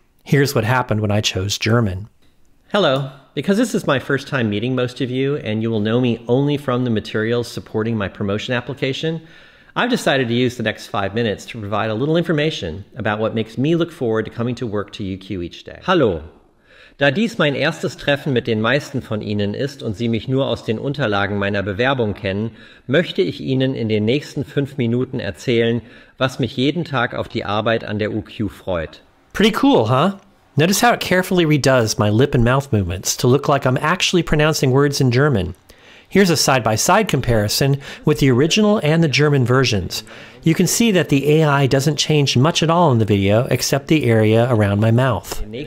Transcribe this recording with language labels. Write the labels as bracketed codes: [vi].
[en] Here's what happened when I chose German. Hello. Because this is my first time meeting most of you, and you will know me only from the materials supporting my promotion application, I've decided to use the next 5 minutes to provide a little information about what makes me look forward to coming to work to UQ each day. [de] Hallo. Da dies mein erstes Treffen mit den meisten von Ihnen ist und Sie mich nur aus den Unterlagen meiner Bewerbung kennen, möchte ich Ihnen in den nächsten 5 Minuten erzählen, was mich jeden Tag auf die Arbeit an der UQ freut. [en] Pretty cool, huh? Notice how it carefully redoes my lip and mouth movements to look like I'm actually pronouncing words in German. Here's a side-by-side comparison with the original and the German versions. You can see that the AI doesn't change much at all in the video, except the area around my mouth.